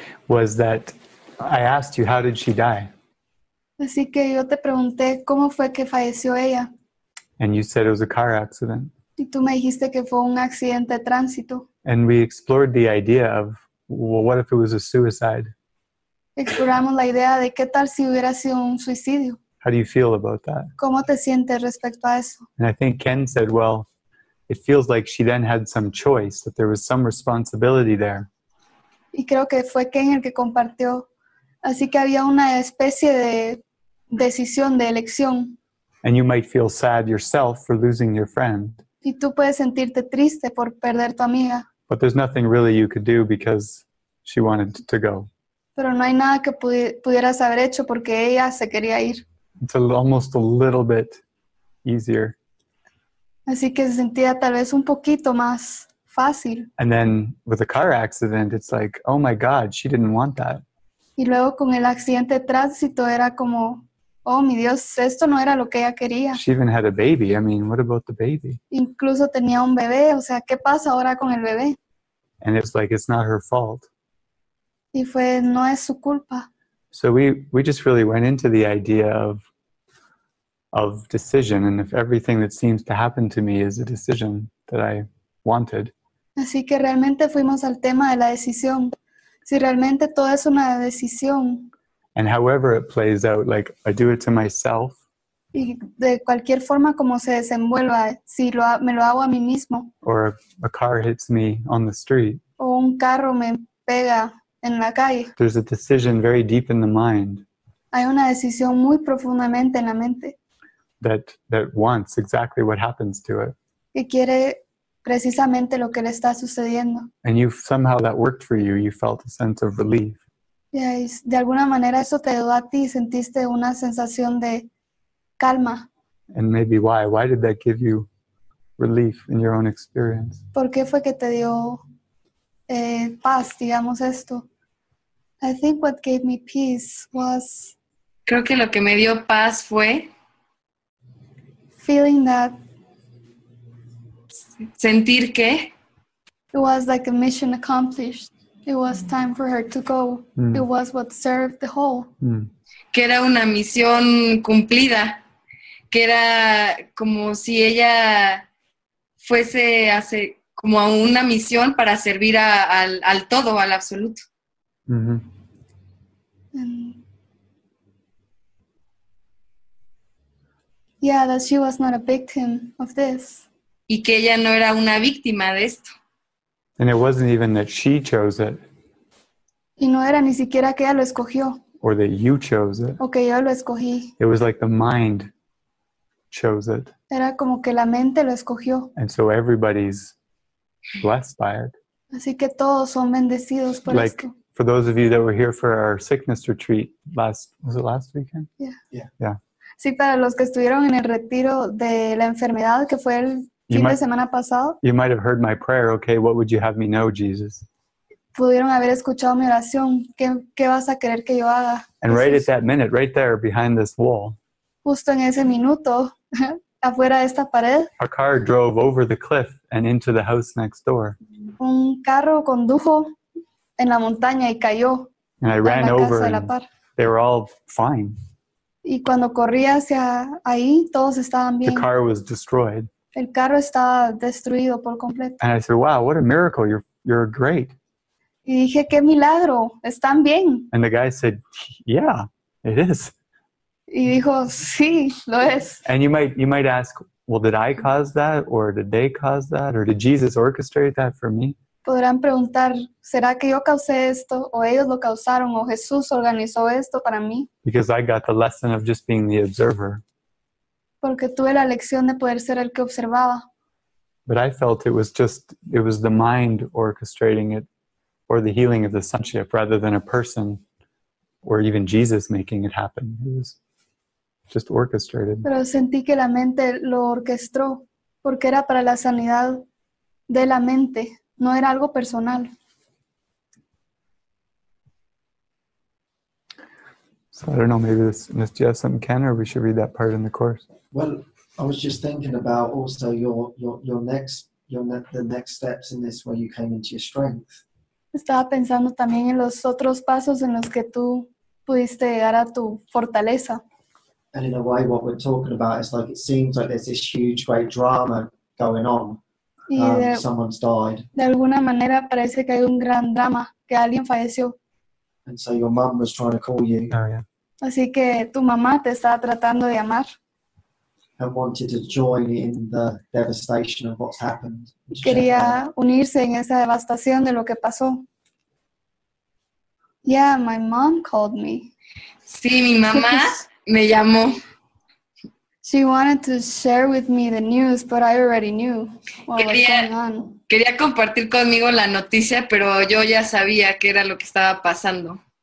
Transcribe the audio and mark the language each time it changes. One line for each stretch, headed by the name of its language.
English: Was that I asked you how did she die?
Spanish: Así que yo te pregunté cómo fue que falleció ella.
English: And you said it was a car accident.
Spanish: Y tú me dijiste que fue un accidente de tránsito.
English: And we explored the idea of, well, what if it was a suicide?
Spanish: Exploramos la idea de qué tal si hubiera sido un suicidio.
English: How do you feel about that?
Spanish: ¿Cómo te sientes respecto a eso?
English: And I think Ken said, well, it feels like she then had some choice, that there was some responsibility there.
Spanish: Y creo que fue Ken el que compartió. Así que había una especie de decisión, de elección.
English: And you might feel sad yourself for losing your friend.
Spanish: Y tú puedes sentirte triste por perder tu amiga.
English: But there's nothing really you could do because she wanted to go.
Spanish: Pero no hay nada que pudieras haber hecho porque ella se quería ir.
English: It's almost a little bit easier.
Spanish: Así que se sentía tal vez un poquito más fácil.
English: And then with a car accident, it's like, oh my God, she didn't want that.
Spanish: Y luego con el accidente de tránsito era como, oh mi Dios, esto no era lo que ella quería.
English: She even had a baby. I mean, what about the baby?
Spanish: Incluso tenía un bebé. O sea, ¿qué pasa ahora con el bebé?
English: And it's like, it's not her fault.
Spanish: Y fue, no es su culpa.
English: So we just really went into the idea of decision, and if everything that seems to happen to me is a decision that I wanted.
Spanish: Así que realmente fuimos al tema de la decisión. Si realmente todo es una decisión.
English: And however it plays out, like I do it to myself.
Spanish: Y de cualquier forma como se desenvuelva, si me lo hago a mí mismo.
English: Or a car hits me on the street.
Spanish: O un carro me pega. En la calle.
English: There's a decision very deep in the mind.
Spanish: Hay una decisión muy profundamente en la mente.
English: That wants exactly what happens to it.
Spanish: Que quiere precisamente lo que le está sucediendo.
English: And you somehow that worked for you. You felt a sense of relief.
Spanish: Yeah, de alguna manera eso te dio a ti y sentiste una sensación de calma.
English: And maybe why? Why did that give you relief in your own experience?
Spanish: ¿Por qué fue que te dio paz, digamos esto?
English: I think what gave me peace was,
Spanish: creo que lo que me dio paz fue
English: feeling that,
Spanish: sentir que
English: it was like a mission accomplished, it was time for her to go. Mm. It was what served the whole. Mm.
Spanish: Que era una misión cumplida, que era como si ella fuese hace como a una misión para servir al todo, al absoluto. Mm-hmm.
English: Yeah, that she was not a victim of this.
Spanish: Y que ella no era una víctima de esto.
English: And it wasn't even that she chose it.
Spanish: Y no era ni siquiera que ella lo escogió.
English: Or that you chose it.
Spanish: O que yo lo escogí.
English: It was like the mind chose it.
Spanish: Era como que la mente lo escogió.
English: And so everybody's blessed by it.
Spanish: Así que todos son bendecidos por
English: like,
Spanish: esto.
English: For those of you that were here for our sickness retreat last weekend? Yeah.
Spanish: Sí, para los que estuvieron en el retiro de la enfermedad que fue el fin de semana pasado.
English: You might have heard my prayer, okay, what would you have me know, Jesus?
Spanish: Pudieron haber escuchado mi oración, ¿qué vas a querer que yo haga?
English: And right at that minute, right there behind this wall.
Spanish: Justo en ese minuto, afuera de esta pared.
English: A car drove over the cliff and into the house next door.
Spanish: Un carro condujo en la montaña y cayó.
English: And I ran over and they were all fine.
Spanish: Y cuando corrí hacia ahí, todos estaban bien.
English: The car was destroyed.
Spanish: El carro estaba destruido por completo.
English: And I said, wow, what a miracle, you're great.
Spanish: Y dije, qué milagro, están bien.
English: And the guy said, yeah, it is.
Spanish: Y dijo, sí, lo es.
English: And you might ask, well, did I cause that, or did they cause that, or did Jesus orchestrate that for me?
Spanish: Podrán preguntar, ¿será que yo causé esto, o ellos lo causaron, o Jesús organizó esto para mí?
English: Because I got the lesson of just being the observer.
Spanish: Porque tuve la lección de poder ser el que observaba.
English: But I felt it was the mind orchestrating it, or the healing of the sonship, rather than a person, or even Jesus making it happen. It was just orchestrated.
Spanish: Pero sentí que la mente lo orquestó, porque era para la sanidad de la mente. No era algo personal.
English: So I don't know, maybe this, do you have something, Ken, or we should read that part in the course? Well, I was just thinking about also the next steps in this, where you came into your strength.
Spanish: Estaba pensando también en los otros pasos en los que tú pudiste llegar a tu fortaleza.
English: And in a way, what we're talking about is like, it seems like there's this huge, great drama going on. Someone's died.
Spanish: De alguna manera parece que hay un gran drama, que alguien falleció.
English: And so your mom was trying to call you. Oh, yeah.
Spanish: Así que tu mamá te estaba tratando de llamar.
English: And wanted to join in the devastation of what's happened.
Spanish: Quería unirse en esa devastación de lo que pasó.
English: Yeah, my mom called me.
Spanish: Sí, mi mamá me llamó.
English: She wanted to share with me the news, but I already knew what
Spanish: quería,
English: was going on.
Spanish: Quería compartir conmigo la noticia, pero yo ya sabía qué era lo que estaba pasando.